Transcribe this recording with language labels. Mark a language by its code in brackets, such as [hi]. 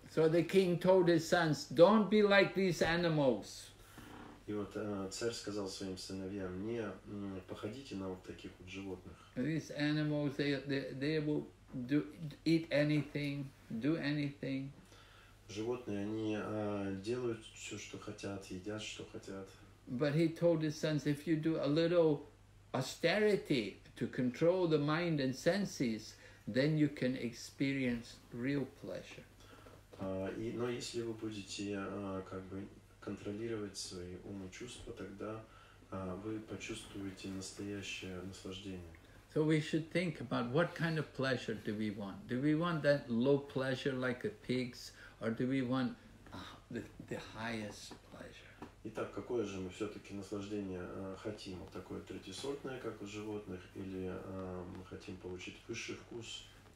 [en] So the king told his sons, "Don't be like these animals." [ru] И вот царь сказал своим сыновьям, не походите на вот таких вот животных. [en] These animals, they will do eat anything, do anything. [ru] Животные, они делают все, что хотят, едят, что хотят. [en] But he told his sons, if you do a little austerity to control the mind and senses, then you can experience real pleasure. [ru] Но если вы будете как бы контролировать свои умы и чувства, тогда вы почувствуете настоящее наслаждение. [en] So we should think about what kind of pleasure do we want? Do we want that low pleasure like the pigs, or do we want the highest pleasure? [ru] Итак, какое же мы все-таки наслаждение хотим? Такое третьесортное, как у животных, или мы хотим получить высший вкус?